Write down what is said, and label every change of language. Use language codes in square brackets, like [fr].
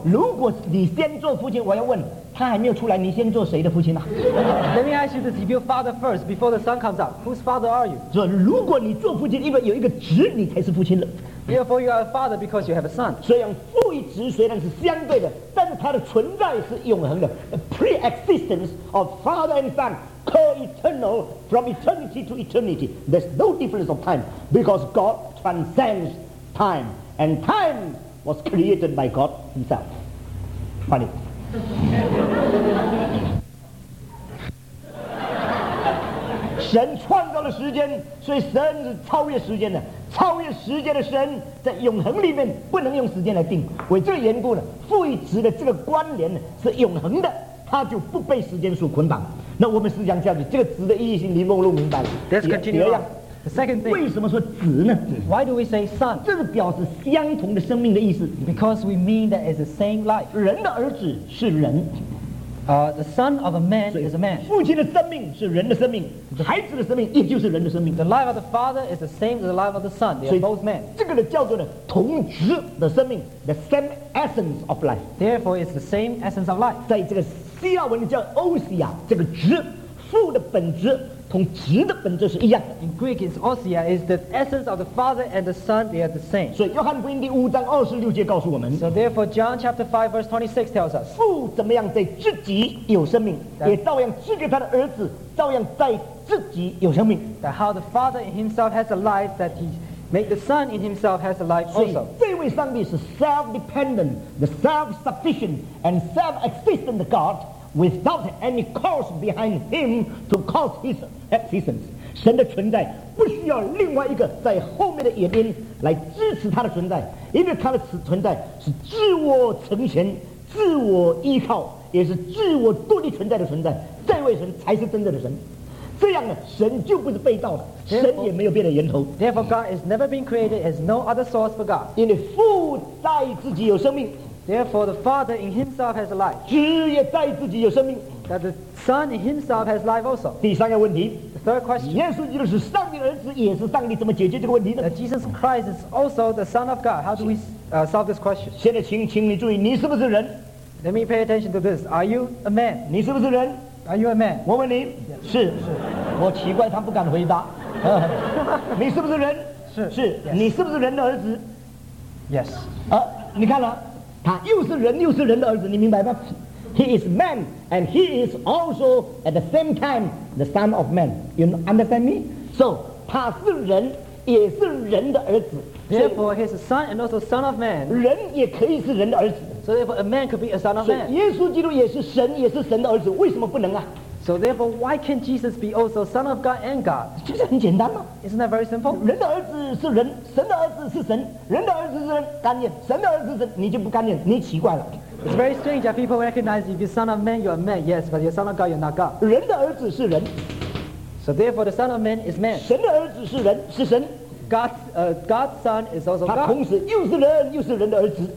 [zh] 如果你先做父亲，我要问他还没有出来，你先做谁的父亲呢、 [en] Let me ask you this: if you're father first before the son comes out, whose father are you? [zh] 说如果你做父亲，因为有一个子，你才是父亲了。 [en] Therefore, you are a father because you have a son. [zh] 虽然父与子虽然是相对的，但是它的存在是永恒的。 [en] The pre-existence of father and son, co-eternal from eternity to eternity. There's no difference of time because God transcends time, and time was created by God Himself. Funny. [zh] 神创造了时间，所以神是超越时间的。超越时间的神在永恒里面不能用时间来定。为这个缘故呢，父与子的这个关联呢是永恒的，它就不被时间所捆绑。那我们思想下去，这个子的意义是你弄明白了。 [en] Let's continue. The second thing. [zh] 为什么说子呢 [en] ？Why do we say son? [zh] 这是表示相同的生命的意思。 [en] Because we mean that it's the same life. [zh] 人的儿子是人。 [en] The son of a man is a man. [zh] 父亲的生命是人的生命，孩子的生命也就是人的生命。 [en] The life of the father is the same as the life of the son. They are both men. [zh] 这个呢叫做呢同质的生命 ， [en] the same essence of life. Therefore, it's the same essence of life. [zh] 在这个希腊文叫 osia， 这个质，父的本质同质的本质是一样的。 [en] In Greek, it's osia, is the essence of the father and the son. They are the same. [zh] 所以约翰福音第五章二十六节告诉我们。 [en] So therefore, John chapter 5 verse 26 tells us, [zh] 父怎么样在自己有生命， that, 也照样赐给他的儿子，照样在自己有生命。 [en] That how the father in himself has a life, that he made the son in himself has a life also. [zh] 所以这位上帝是 [en] self-dependent, the self-sufficient and self-existent God. Without any cause behind him to cause his existence, [zh] 神的存在不需要另外一个在后面的原因来支持他的存在，因为他的存在是自我成全、自我依靠，也是自我独立存在的存在。这位神才是真正的神。这样呢，神就不是被盗的，神也没有别的源头。 [en] Therefore, God has never been created; has no other source for God. [zh] 因为父在自己有生命。 [en] Therefore, the Father in Himself has life. [zh] 子也在自己有生命。 [en] That the Son in Himself has life also. [zh] 第三个问题。 [en] The third question. [zh] 耶稣基督是上帝的儿子，也是上帝，怎么解决这个问题呢？ [en] That Jesus Christ is also the Son of God. How do we solve this question? [zh] 现在请你注意，你是不是人？ [en] Let me pay attention to this. Are you a man? [zh] 你是不是人？ [en] Are you a man? [zh] 我问你。 [en] Yes. [zh] 是。我奇怪，他不敢回答。你是不是人？是。是。 [en] Yes. [zh] 你是不是人的儿子？ [en] Yes. [zh] 你看了。他又是人又是人的儿子，你明白吗？ [en] He is man and he is also at the same time the son of man. You understand me? [zh] So, 他是人也是人的儿子。 [en] Therefore, he is a son and also son of man. [zh] 人也可以是人的儿子。 [en] So therefore, a man could be a son of man. [zh] 耶稣基督也是神也是神的儿子，为什么不能啊？ [en] So therefore, why can't Jesus be also son of God and God? [zh] 这是很简单吗？ [en] Isn't that very simple? [zh] 人的儿子是人，神的儿子是神，人的儿子是人，甘愿，神的儿子是神，你就不甘愿，你奇怪了。 [en] It's very strange that people recognize if you're son of man, you're a man, yes, but you're son of God, you're not God. [zh] 人的儿子是人。 [en] So therefore, the son of man is man. [zh] 神的儿子是人，是神。 [en] God's son is also God. [zh] 他同时又是人又是人的儿子。